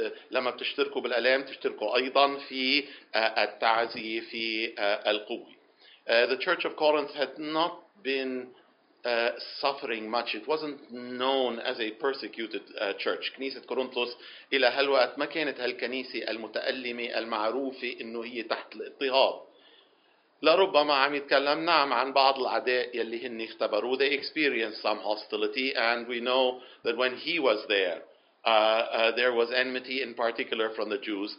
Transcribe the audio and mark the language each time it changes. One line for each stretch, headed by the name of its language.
Arabic: لما بتشتركوا بالألام تشتركوا أيضا في التعزي في القوي.
English: The Church of Corinth had not been suffering much. It wasn't known as a persecuted church.
Arabic: كنيسة كورنثوس إلى هالوقت ما كانت هالكنيسة المتألمة المعروفة إنه هي تحت الاضطهاد. لربما عم يتكلم نعم عن بعض العداء يلي هن اختبروا.
English: They experienced some hostility, and we know that when he was there, there was enmity in particular from the Jews.